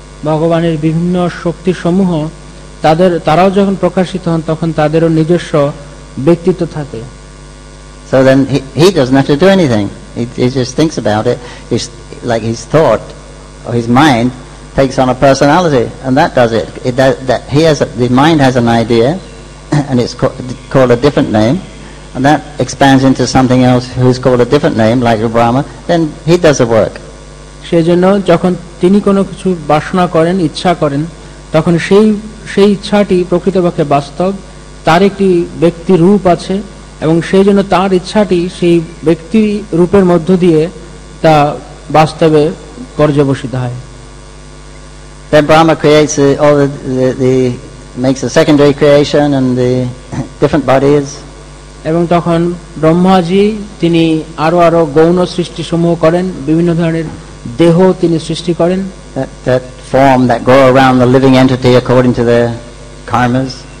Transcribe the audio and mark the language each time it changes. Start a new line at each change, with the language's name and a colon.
Bangla: ভগবানের বিভিন্ন শক্তি সমূহ তারাও যখন প্রকাশিত হন তখন তাদেরও নিজস্ব ব্যক্তিত্ব থাকে।
English: So then he doesn't have to do anything. He just thinks about it. It's like his thought or his mind takes on a personality, and that does it. The mind has an idea, and it's called a different name, and that expands into something else, who's called a different name, like Brahma. Then he does the work.
Bangla: সেজন্য যখন তিনি কোনো কিছু বাসনা করেন, ইচ্ছা করেন, তখন সেই ইচ্ছাটি প্রকৃতপক্ষে বাস্তব, তার একটি ব্যক্তি রূপ আছে, এবং সেই জন্য তার ইচ্ছাটি সেই ব্যক্তি রূপের মধ্য দিয়ে তা বাস্তবে পর্যবসিত হয়।
English: Then Brahma creates all the makes a secondary creation and the different bodies.
Bangla: এবং তখন ব্রহ্মাজি তিনি আরো আরো গৌণ সৃষ্টি সমূহ করেন, বিভিন্ন ধরনের দেহ তিনি সৃষ্টি করেন।
English: That form that go around the living entity according to their karmas.